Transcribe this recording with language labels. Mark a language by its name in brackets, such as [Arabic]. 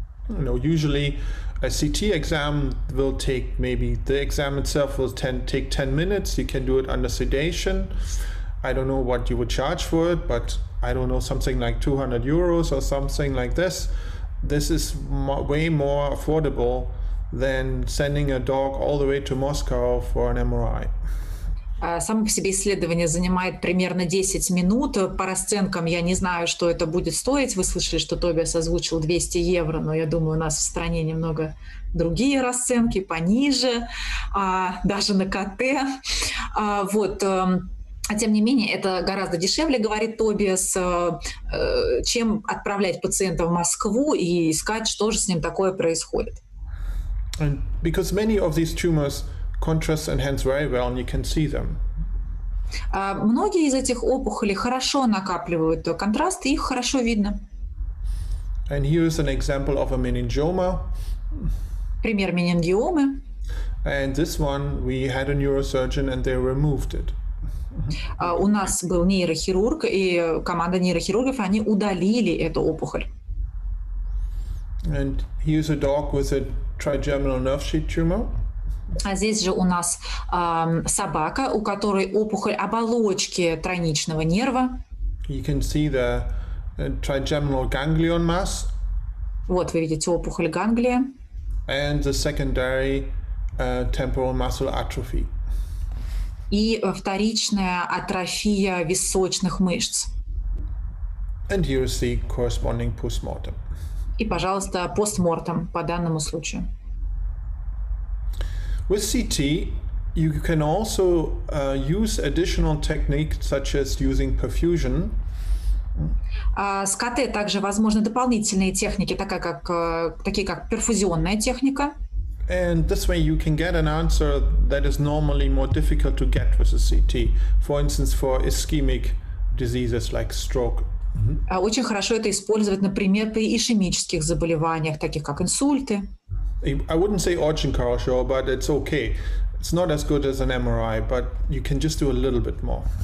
[English] No, usually a CT exam will take maybe, the exam itself will take 10 minutes, you can do it under sedation. I don't know what you would charge for it, but I don't know, something like 200 euros or something like this. This is way more affordable than sending a dog all the way to Moscow for an MRI. [Russian] Само по себе исследование занимает примерно 10 минут. По расценкам я не знаю, что это будет стоить. Вы слышали, что Тобиас озвучил 200 евро, но я думаю, у нас в стране немного другие расценки, пониже, даже на КТ. А тем не менее, это гораздо дешевле, говорит Тобиас, чем отправлять пациента в Москву и искать, что же с ним такое происходит. [English] And because many of these tumors contrast and enhance very well, and you can see them. [Russian] Многие из этих опухолей хорошо накапливают контраст, и их хорошо видно. [English] And here is an example of a meningioma. [Russian] Пример менингиомы. [English] And this one, we had a neurosurgeon, and they removed it. [Russian] У нас был нейрохирург, и команда нейрохирургов, они удалили эту опухоль. [English] And here's a dog with a trigeminal nerve sheath tumor. [Russian] А здесь же у нас собака, у которой опухоль оболочки тройничного нерва. [English] You can see the trigeminal ganglion mass. [Russian] Вот вы видите опухоль ганглия. [English] And the secondary temporal muscle atrophy. [Russian] И вторичная атрофия височных мышц. [English] And here is the corresponding postmortem. [Russian] И, пожалуйста, постмортем по данному случаю. [English] With CT, you can also use additional techniques, such as using perfusion. [Russian] С КТ также возможны дополнительные техники, такие как перфузионная техника. [English] And this way you can get an answer that is normally more difficult to get with a CT. For instance, for ischemic diseases like stroke. [Russian] Очень хорошо это использовать, например, при ишемических заболеваниях, таких как инсульты. [English] I wouldn't say [Russian] очень хорошо, [English] but it's okay. It's not as good as an MRI, but you can just do a little bit more.